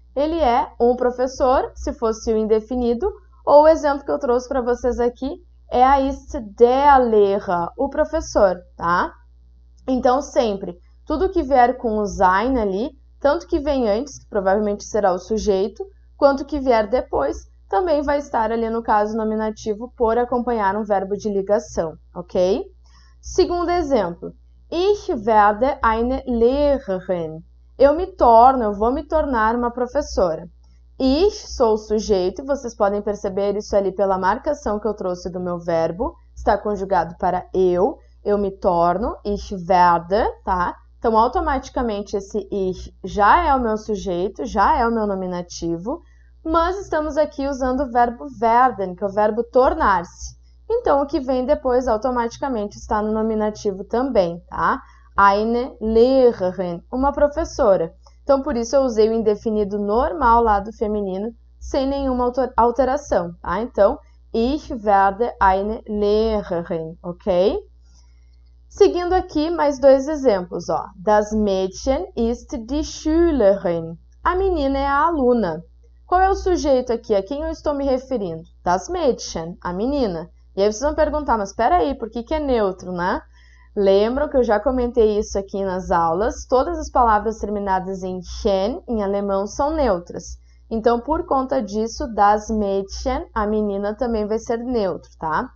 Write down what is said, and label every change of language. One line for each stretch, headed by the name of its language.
Portuguese: Ele é um professor, se fosse o indefinido, ou o exemplo que eu trouxe para vocês aqui é a
German: ist der Lehrer,
Portuguese: o professor, tá? Então, sempre, tudo que vier com o sein ali, tanto que vem antes, que provavelmente será o sujeito, quanto que vier depois, também vai estar ali no caso nominativo por acompanhar um verbo de ligação, ok? Segundo exemplo,
German: ich werde eine Lehrerin.
Portuguese: Eu me torno, eu vou me tornar uma professora. Ich sou o sujeito, vocês podem perceber isso ali pela marcação que eu trouxe do meu verbo, está conjugado para eu me torno,
German: ich werde,
Portuguese: tá? Então, automaticamente esse ich já é o meu sujeito, já é o meu nominativo, mas estamos aqui usando o verbo werden, que é o verbo tornar-se. Então, o que vem depois automaticamente está no nominativo também, tá? Eine Lehrerin, uma professora. Então, por isso eu usei o indefinido normal lá do feminino, sem nenhuma alteração, tá? Então,
German: ich werde eine Lehrerin,
Portuguese: ok? Seguindo aqui, mais dois exemplos, ó.
German: Das Mädchen ist die Schülerin.
Portuguese: A menina é a aluna. Qual é o sujeito aqui? A quem eu estou me referindo? Das Mädchen, a menina. E aí vocês vão perguntar, mas peraí, por que que é neutro, né? Lembram que eu já comentei isso aqui nas aulas? Todas as palavras terminadas em chen, em alemão, são neutras. Então, por conta disso, das Mädchen, a menina também vai ser neutro, tá?